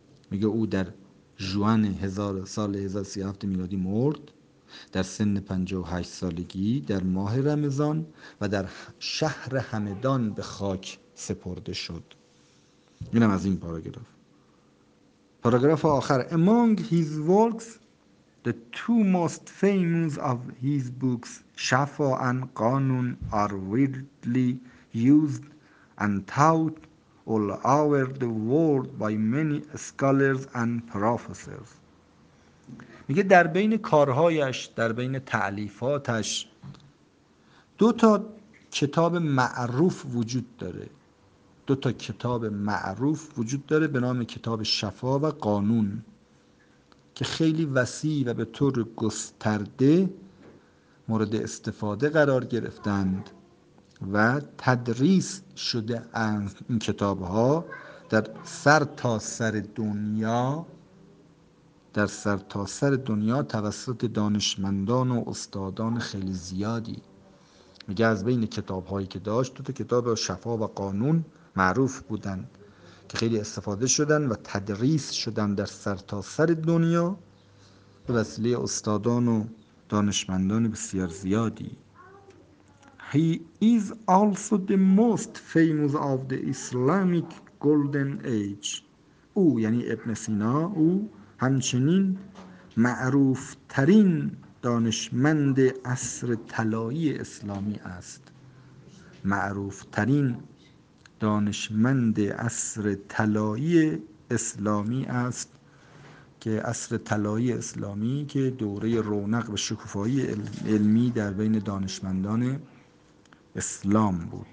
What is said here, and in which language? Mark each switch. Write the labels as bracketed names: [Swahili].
[Persian] میگه او در جوان سال 1037 میلادی مرد، در سن 58 سالگی در ماه رمضان، و در شهر همدان به خاک سپرده شد. اینم از این پاراگراف. پاراگراف آخر: [English] among his works the two most famous of his books Shifa and Qanun are widely used and taught all over the world by many scholars and professors. [Persian] میگه در بین کارهایش، در بین تألیفاتش، دو تا کتاب معروف وجود داره، دو تا کتاب معروف وجود داره به نام کتاب شفا و قانون، که خیلی وسیع و به طور گسترده مورد استفاده قرار گرفتند و تدریس شده از این کتابها در سر تا سر دنیا، در سر تا سر دنیا توسط دانشمندان و استادان خیلی زیادی. میگه از بین کتابهایی که داشت، دو تا کتاب شفا و قانون معروف بودند که خیلی استفاده شدن و تدریس شدن در سر تا سر دنیا به وسیله استادان و دانشمندان بسیار زیادی. [English] He is also the most famous of the Islamic Golden Age. [Persian] او یعنی ابن سینا، او همچنین معروف ترین دانشمند عصر طلایی اسلامی است. معروف ترین دانشمند عصر طلایی اسلامی است، که عصر طلایی اسلامی که دوره رونق و شکوفایی علمی در بین دانشمندان اسلام بود.